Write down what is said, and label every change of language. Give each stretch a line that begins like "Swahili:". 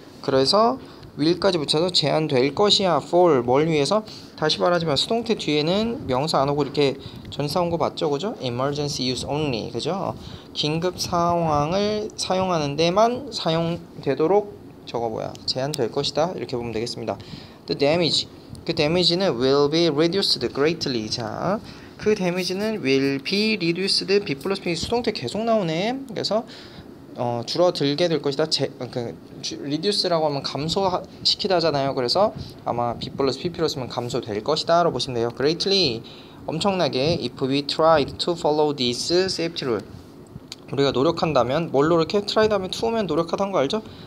Korean: 그래서 will까지 붙여서 제한될 것이야 for 뭘 위해서? 다시 말하지만 수동태 뒤에는 명사 안 오고 이렇게 전사 온 거 맞죠? 그죠? emergency use only, 그죠? 긴급 상황을 사용하는 데만 사용되도록 저거 뭐야 제한될 것이다 이렇게 보면 되겠습니다.
English: The damage 그 damage는 will be reduced greatly. 자, 그 damage는 will be reduced B plus P
Korean: 수동태 계속 나오네. 그래서 줄어들게 될 것이다. 그 reduce라고 하면 감소시키다잖아요. 그래서 아마 B plus PP로 쓰면 감소될 것이다 라고 보시면 돼요. greatly 엄청나게
English: if we tried to follow this safety rule
Korean: 우리가 노력한다면 뭘로 이렇게 try 다음에 to면 노력하다는 거 알죠?